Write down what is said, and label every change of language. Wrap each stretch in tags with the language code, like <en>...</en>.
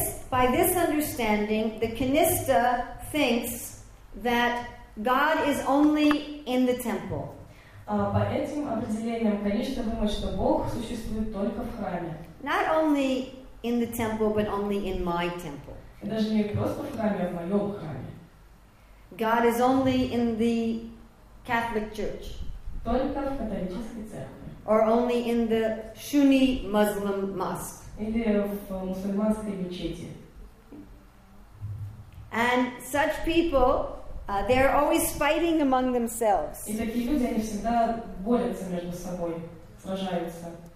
<en>By this understanding, the Kanista thinks that God is only in the temple.</en> <ru>По этим определениям Kanista думает, что Бог существует только в храме.</ru> <en>Not only in the temple, but only in my temple.</en> <ru>Даже не просто в храме, а в моем храме.</ru> <en>God is only in the Catholic Church.</en> <ru>Только в католической церкви.</ru> <en>Or only in the Sunni Muslim mosque.</en> <ru>Или в мусульманской мечети.</ru> <en>And such people, they are always fighting among themselves.</en> <ru>И такие люди, они всегда борются между собой, сражаются.</ru>